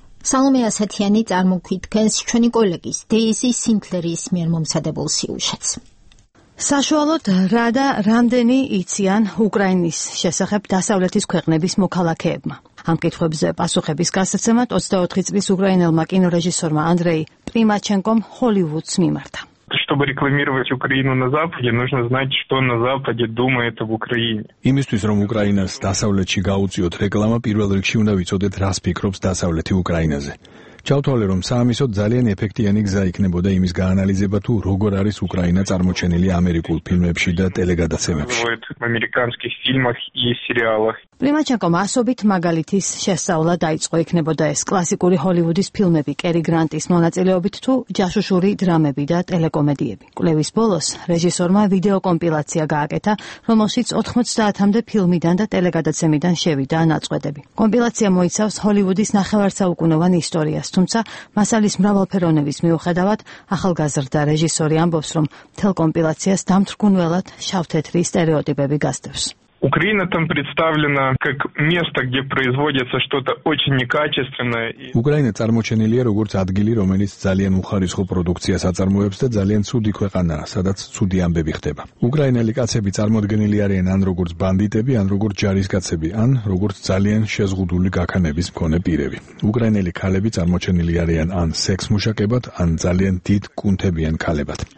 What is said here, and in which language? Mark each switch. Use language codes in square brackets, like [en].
[ka] სალომე ასათიანი წარმოგვიდგენს ჩვენი კოლეგის დეიზი სინკლერის მიერ მომზადებულ სიუჟეტს. საშუალოდ რა და რამდენი იციან უკრაინის შესახებ დასავლეთის ქვეყნების მოქალაქეებმა? ამ კითხვებზე პასუხების გასაცემად 24 წლის უკრაინელმა კინორეჟისორმა ანდრეი პრიმაჩენკომ ჰოლივუდს მიმართა. [ru] Чтобы рекламировать Украину на западе, нужно знать, что на западе думают об Украине. [ka] Имиствус, რომ უკრაინას დასავლეთში გაუწიოთ რეკლამა, პირველ რიგში უნდა ვიცოდეთ, რას ფიქრობს დასავლეთი უკრაინაზე. ჩავთვალე, რომ სამისო ძალიან ეფექტიანი გზა იქნებოდა იმის გაანალიზება, თუ როგორ არის უკრაინა წარმოჩენილი ამერიკულ ფილმებში და ტელეგადაცემებში. ამერიკანსკის ფილმებში и სერიალах. პრიმაჩენკომ ასობით მაგალითის შესავლა დაიწყო იქნებოდა ეს კლასიკური ჰოლივუდის ფილმები, კერი გრანტის მონაწილეობით თუ ჯაშუშური დრამები და ტელეკომედიები. კვლევის ბოლოს რეჟისორმა ვიდეო კომპილაცია გააკეთა, რომელშიც 90-მდე ფილმიდან და ტელეგადაცემიდან შევიდა ნაწყვეტები. კომპილაცია მოიცავს ჰოლივუდის ნახევარსაუკუნოვან ისტორიას, თუმცა მასალის მრავალფეროვნების მიუხედავად, ახალგაზრდა რეჟისორი ამბობს, რომ მთელ კომპილაციას დამთრგუნველად შავთეთრი სტერეოტიპები გასდევს. [ru] Украина там представлена как место, где производится что-то очень некачественное. [ka] Украина წარმოჩენილია როგორც ადგილი, რომელიც ძალიან უხარისხო პროდუქციას აწარმოებს და ძალიან ცუდი ქვეყანაა, სადაც ცუდი ამბები ხდება. უკრაინელი კაცები წარმოდგენილი არიან ან როგორც ბანდიტები, ან როგორც ჯარისკაცები, ან როგორც ძალიან შეზღუდული გაქანების მქონე პირები. უკრაინელი ქალები წარმოჩენილი არიან ან სექსმუშაკებად, ან ძალიან დიდ კუნთებიან ქალებად.